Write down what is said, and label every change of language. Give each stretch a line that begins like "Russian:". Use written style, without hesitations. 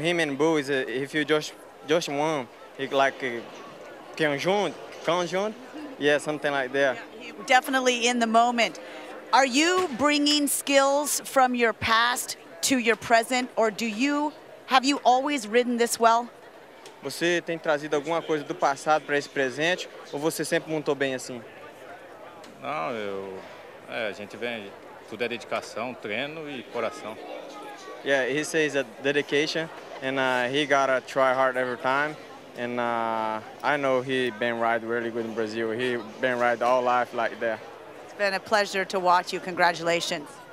English: Him and boi, he feel just one. He like, conjunto? Yeah, something like that. Definitely in the moment. Are you bringing skills from your past to your present, or have you always ridden this well?
Portuguese: Você tem trazido alguma coisa do passado para esse presente, ou você sempre montou bem assim? Não, a gente vem, tudo é dedicação, treino e coração.
English: Yeah, he says that dedication, and he gotta try hard every time. And I know he been ride really good in Brazil. He been ride all life like that. It's been a pleasure to watch you. Congratulations.